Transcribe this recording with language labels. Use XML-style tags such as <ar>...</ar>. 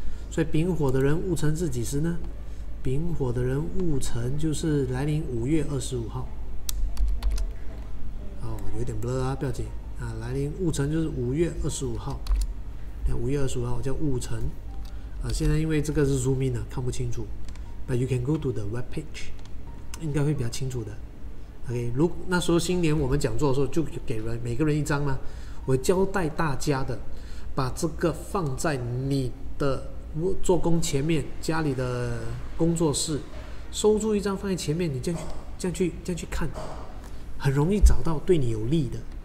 <zh>所以丙火的人戊辰是几时呢？丙火的人戊辰就是来临5月25号。哦，有点 blur 啊，不要紧啊。来临戊辰就是5月25号。 5月25号叫戊辰啊。现在因为这个是 zoom in 的，看不清楚。</zh> <en>But you can go to the web page，</en> <zh>应该会比较清楚的。 OK， 如那时候新年我们讲座的时候，就给人每个人一张嘛。我交代大家的，把这个放在你的做工前面，家里的工作室，收住一张放在前面，你这样去看，很容易找到对你有利的。</zh>